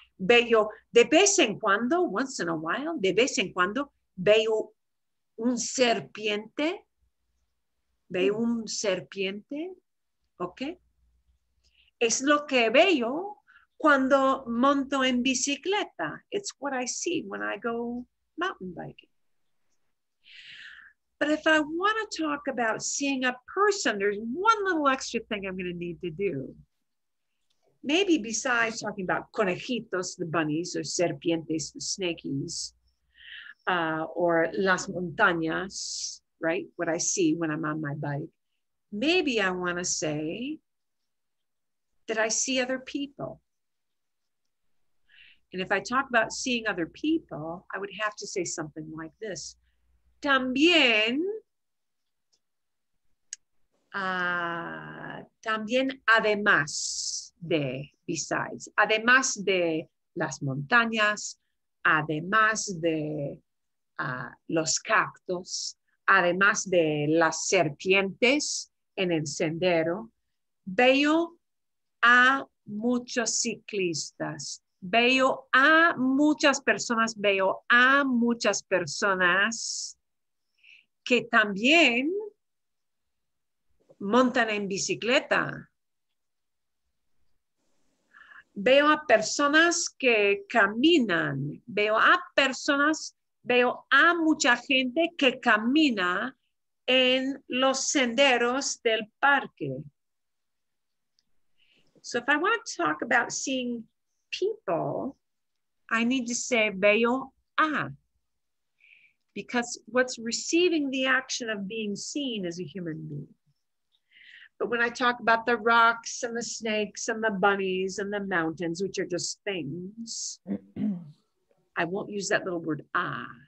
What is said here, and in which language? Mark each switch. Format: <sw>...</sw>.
<es>Veo de vez en cuando,</es> <en>once in a while,</en> <es>de vez en cuando, veo un serpiente, veo un serpiente, ok. Es lo que veo cuando monto en bicicleta.</es> <en>It's what I see when I go mountain biking. But if I want to talk about seeing a person, there's one little extra thing I'm going to need to do. Maybe besides talking about conejitos, the bunnies, or serpientes, the snakies, or las montañas, right? What I see when I'm on my bike. Maybe I want to say that I see other people. And if I talk about seeing other people, I would have to say something like this.</en> <es>También, también además de, besides, además de las montañas, además de los cactos, además de las serpientes en el sendero, veo a muchos ciclistas, veo a muchas personas, veo a muchas personas que también montan en bicicleta. Veo a personas que caminan. Veo a mucha gente que camina en los senderos del parque.</es> <en>So if I want to talk about seeing people, I need to say veo a. because what's receiving the action of being seen is a human being. But when I talk about the rocks and the snakes and the bunnies and the mountains, which are just things, I won't use that little word, ah.</en>